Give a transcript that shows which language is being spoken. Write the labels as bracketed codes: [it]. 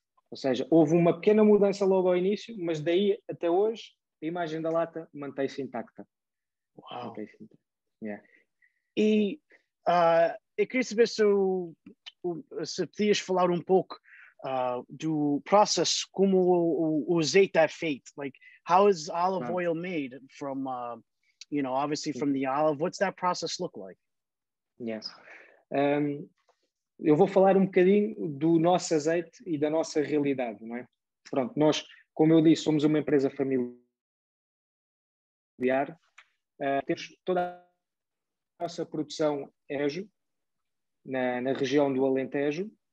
[pt] Ou seja, houve uma pequena mudança logo ao início, mas daí até hoje, a imagem da lata mantém-se intacta. Uau! [en] Yeah. [pt] E eu queria saber se se podias falar um pouco do processo, como o azeite é feito. [en] Like, how is olive oil made from, you know, obviously from the olive? What's that process look like? Yes. [pt] Eu vou falar um bocadinho do nosso azeite e da nossa realidade, não é? Pronto, nós, como eu disse, somos uma empresa familiar. Temos toda a nossa produção Ejo, na região do Alentejo.